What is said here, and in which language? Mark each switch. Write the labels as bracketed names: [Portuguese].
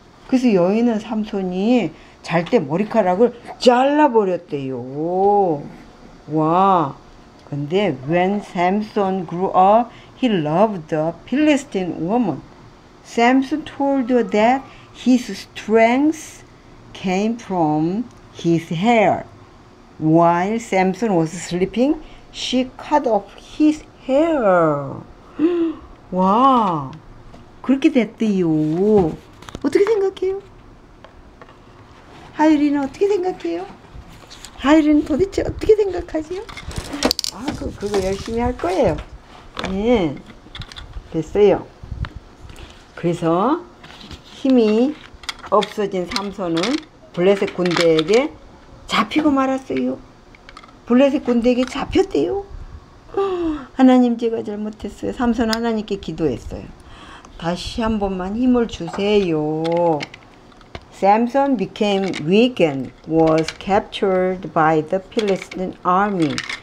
[Korean] 그래서 여인은 삼손이 잘 때 머리카락을 잘라버렸대요. 와. [English] 근데 when Samson grew up, he loved the Philistine woman. Samson told her that his strength came from his hair. While Samson was sleeping, she cut off his hair. [Korean] 와. 그렇게 됐대요. 어떻게 생각해요? 하율이는 어떻게 생각해요? 하율이는 도대체 어떻게 생각하지요? 아, 그거 열심히 할 거예요. 예. 됐어요. 그래서 힘이 없어진 삼손은 블레셋 군대에게 잡히고 말았어요. 블레셋 군대에게 잡혔대요. 하나님, 제가 잘못했어요. 삼손 하나님께 기도했어요. 다시 한 번만 힘을 주세요. [English] Samson became weak and was captured by the Philistine army.